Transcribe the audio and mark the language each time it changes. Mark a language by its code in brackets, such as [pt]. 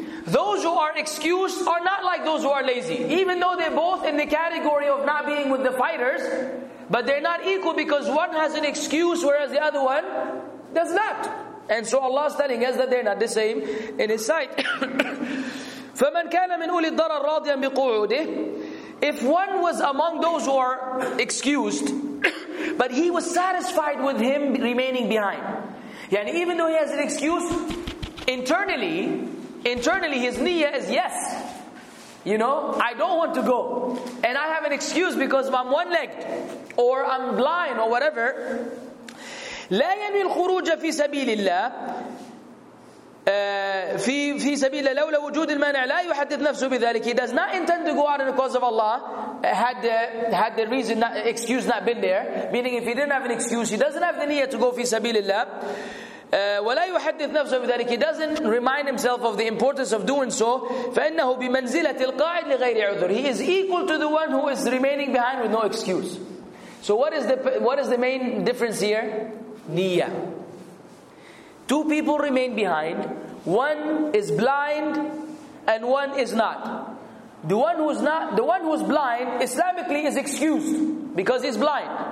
[en] Those who are excused are not like those who are lazy. Even though they're both in the category of not being with the fighters, but they're not equal because one has an excuse whereas the other one does not. And so Allah is telling us that they're not the same in His sight. [ar] فَمَنْ كَانَ مِنْ أُولِي الضَّرَرَ رَاضِيًا بِقُعُودِهِ. [en] If one was among those who are excused, but he was satisfied with him remaining behind. Yeah, and even though he has an excuse, internally his niyyah is yes. You know, I don't want to go. And I have an excuse because I'm one-legged, or I'm blind, or whatever. [ar] لَا يَنْوِي الْخُرُوجَ فِي سَبِيلِ اللَّهِ. في سبيل الله لولا وجود المانع لا يحدث نفسه بذلك. [en] He does not intend to go out in the cause of Allah had the reason not, excuse not been there, meaning if he didn't have an excuse, he doesn't have the niyyah to go [ar] في سبيل الله. ولا يحدث نفسه بذلك. [en] He doesn't remind himself of the importance of doing so. [ar] فإنه بمنزلة القاعد لغير عذر. [en] He is equal to the one who is remaining behind with no excuse. So what is the main difference here? Niyyah. Two people remain behind. One is blind and one is not. The one who's blind, Islamically is excused because he's blind.